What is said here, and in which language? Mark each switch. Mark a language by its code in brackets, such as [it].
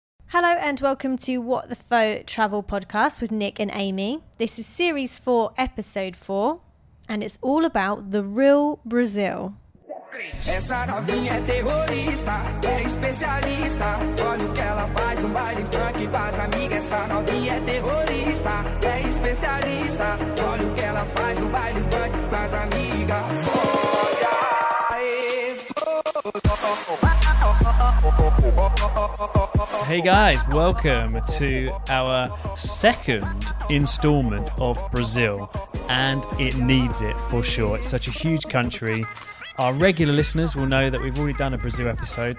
[en] Hello and welcome to What the Faux Travel Podcast with Nick and Amy. This is series 4, episode 4, and it's all about the real Brazil. [pt] Essa novinha é terrorista, é especialista. Olha o que ela faz no baile funk com as amigas. Essa novinha é terrorista, é especialista. Olha o que ela faz no baile funk com as amigas. [en] Olha Hey guys, welcome to our second installment of Brazil, and it needs it for sure. It's such a huge country. Our regular listeners will know that we've already done a Brazil episode.